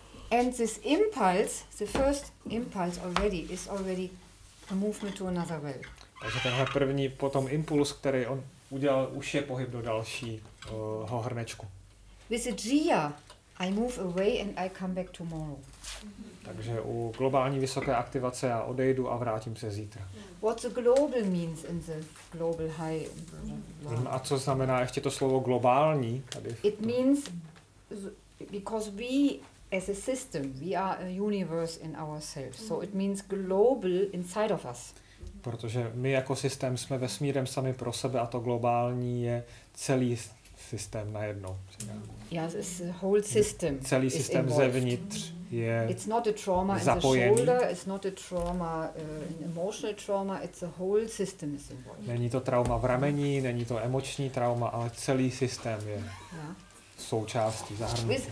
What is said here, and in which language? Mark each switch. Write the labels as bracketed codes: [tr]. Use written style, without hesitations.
[en] And this impulse, the first impulse already, is already a movement to another well. [cs] Takže tenhle první potom impuls, který on udělal, už je pohyb do dalšího hrnečku. [en] With the Gia, I move away and I come back tomorrow. [cs] Takže u globální vysoké aktivace já odejdu a vrátím se zítra. [en] What's a global means in the global high? [cs] A co znamená ještě to slovo globální? [en] It means because we as a system, we are a universe in ourselves. So it means global inside of us. [cs] Protože my jako systém jsme vesmírem sami pro sebe a to globální je celý systém najednou. [en] Yes, it's a whole system. [cs] Celý systém zevnitř je zapojený. [en] It's not a trauma [cs] zapojený. [en] In the shoulder, it's not a trauma, an emotional trauma, it's a whole system is involved. [cs] Není to trauma v rameni, není to emoční trauma, ale celý systém je součástí, zahrnutý.